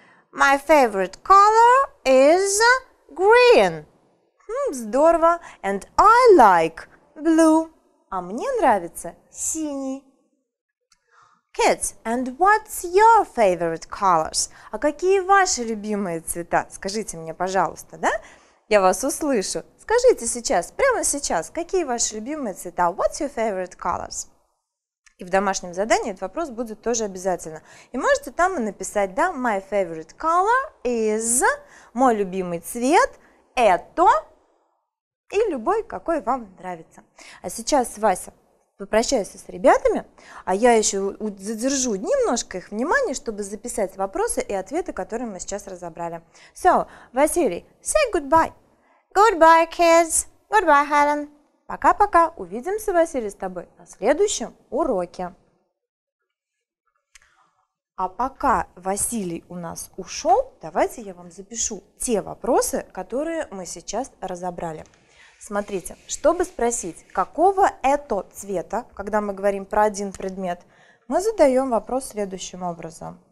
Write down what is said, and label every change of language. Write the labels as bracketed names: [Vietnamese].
[English] My favorite color is green. [Russian] Здорово. [English] And I like blue. [Russian] А мне нравится синий. [English] Kids, and what's your favorite colors? [Russian] А какие ваши любимые цвета? Скажите мне, пожалуйста, да? Я вас услышу. Скажите сейчас, прямо сейчас, какие ваши любимые цвета? [English] What's your favorite colors? [Russian] И в домашнем задании этот вопрос будет тоже обязательно. И можете там и написать, да, [English] my favorite color is, [Russian] мой любимый цвет, это, и любой, какой вам нравится. А сейчас, Вася, попрощаюсь с ребятами, а я еще задержу немножко их внимание, чтобы записать вопросы и ответы, которые мы сейчас разобрали. [English] So, Василий, say goodbye. Goodbye, kids. Goodbye, Helen. [Russian] Пока-пока. Увидимся, Василий, с тобой на следующем уроке. А пока Василий у нас ушел, давайте я вам запишу те вопросы, которые мы сейчас разобрали. Смотрите, чтобы спросить, какого это цвета, когда мы говорим про один предмет, мы задаем вопрос следующим образом.